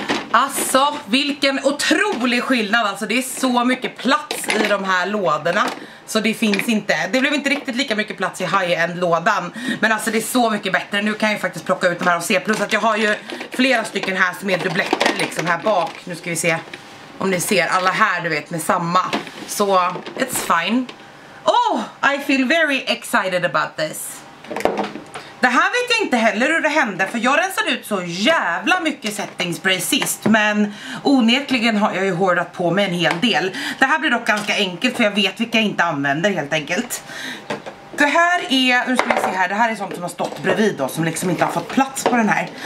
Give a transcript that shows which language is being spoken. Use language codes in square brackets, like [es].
[sv] Alltså, vilken otrolig skillnad. Alltså, det är så mycket plats i de här lådorna. Så det finns inte. Det blev inte riktigt lika mycket plats i high-end-lådan. Men alltså, det är så mycket bättre. Nu kan jag ju faktiskt plocka ut de här och se. Plus att jag har ju flera stycken här som är dubbletter liksom här bak. Nu ska vi se om ni ser alla här, du vet, med samma. [en] Så, it's fine. Oh, I feel very excited about this. [sv] Det här vet jag inte heller hur det hände, för jag rensade ut så jävla mycket setting spray sist, men onekligen har jag ju hårdat på mig en hel del. Det här blir dock ganska enkelt, för jag vet vilka jag inte använder helt enkelt. Det här är, nu ska vi se här, det här är sånt som har stått bredvid då, som liksom inte har fått plats på den här.